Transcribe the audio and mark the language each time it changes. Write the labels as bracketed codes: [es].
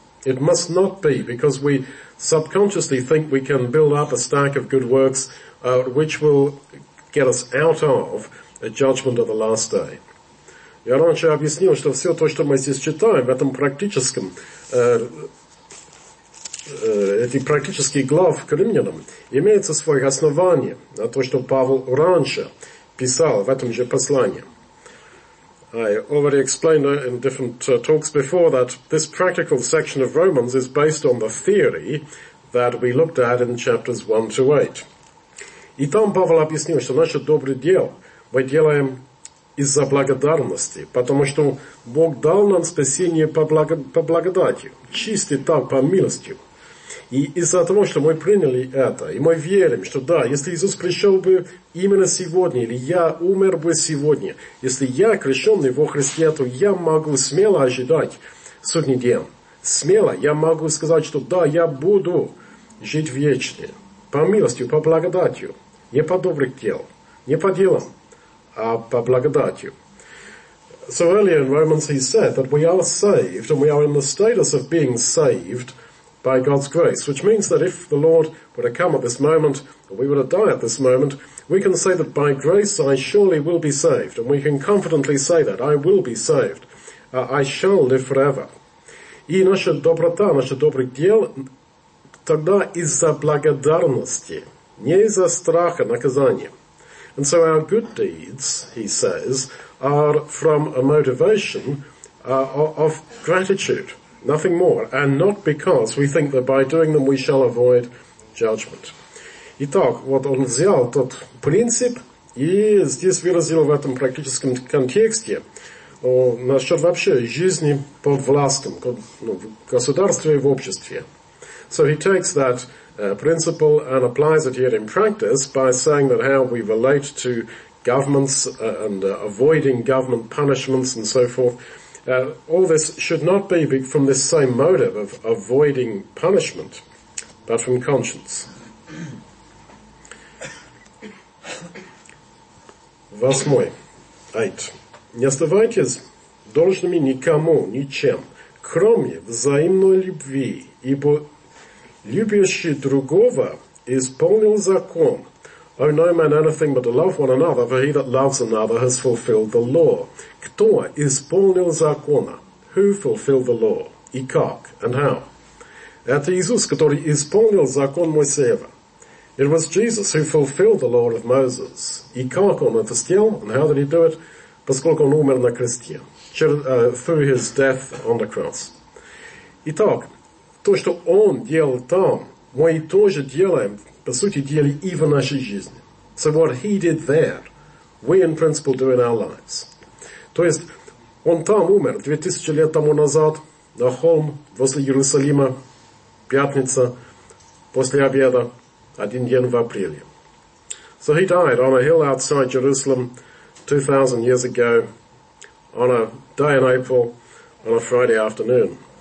[en] It must not be because we subconsciously think we can build up a stack of good works, which will get us out of a judgment of the last day. [ru] Я раньше объяснил, что все то, что мы здесь читаем, в этом практическом эти практические главы к Римлянам имеются свои основания на то, что Павел раньше писал в этом же послании. [en] I already explained in different talks before that this practical section of Romans is based on the theory that we looked at in chapters 1 to 8. [ru] И там Павел объяснил, что наше доброе дело мы делаем из-за благодарности, потому что Бог дал нам спасение по благодати, чистый так, по милости. И из-за того, что мы приняли это, и мы верим, что да, если Иисус пришел бы именно сегодня, или я умер бы сегодня, если я крещенный во Христе, то я могу смело ожидать судный день. Смело я могу сказать, что да, я буду жить вечно. По милостью, по благодатью. Не по добрых дел, не по делам, а по благодатью. [en] So earlier in Romans he said that we are saved, and we are in the status of being saved by God's grace, which means that if the Lord were to come at this moment, or we were to die at this moment, we can say that by grace I surely will be saved, and we can confidently say that I will be saved. I shall live forever. [ru] И наша доброта, наше доброе дело, тогда из-за благодарности, не из-за страха наказания. [en] And so our good deeds, he says, are from a motivation of gratitude. Nothing more, and not because we think that by doing them we shall avoid judgment. [ru] Итак, вот он взял тот принцип и здесь выразил в этом практическом контексте насчет вообще жизни под властом, в государстве и в обществе. [en] So he takes that principle and applies it here in practice by saying that how we relate to governments and avoiding government punishments and so forth. All this should not be from this same motive of avoiding punishment, but from conscience. [ru] Восьмой. [en] Eight. [ru] Не оставайтесь должными никому, ничем, кроме взаимной любви, ибо любящий другого исполнил закон. [en] Owe no man anything but to love one another, for he that loves another has fulfilled the law. [ru] Кто исполнил закона? [en] Who fulfilled the law? [ru] И как? [en] And how? [ru] Это Иисус, который исполнил закон Моисеева. [en] It was Jesus who fulfilled the law of Moses. [ru] И как он это сделал? [en] And how did he do it? [ru] Поскольку он умер на кресте. [en] Through his death on the cross. [ru] Итак, то, что он делал там, мы тоже делаем, по сути дела, и в нашей жизни. [en] So what he did there, we in principle do in our lives. [ru] То есть, он там умер 2000 лет тому назад, на холм возле Иерусалима, пятница, после обеда, один день в апреле. [en] So he died on a hill outside Jerusalem 2000 years ago, on a day in April, on a Friday afternoon.